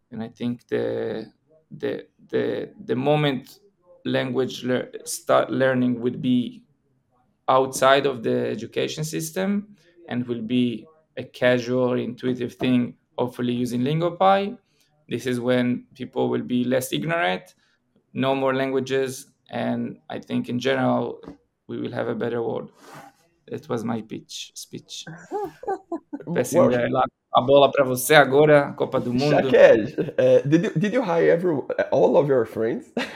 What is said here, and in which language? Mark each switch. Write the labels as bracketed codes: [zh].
[en] And I think the moment language start learning would be outside of the education system and will be a casual, intuitive thing, hopefully using Lingopie, this is when people will be less ignorant, no more languages, and I think in general we will have a better world. That was my speech. [pt] A bola para você agora, Copa do Mundo. [en] Shaquel, did you hire all of your friends?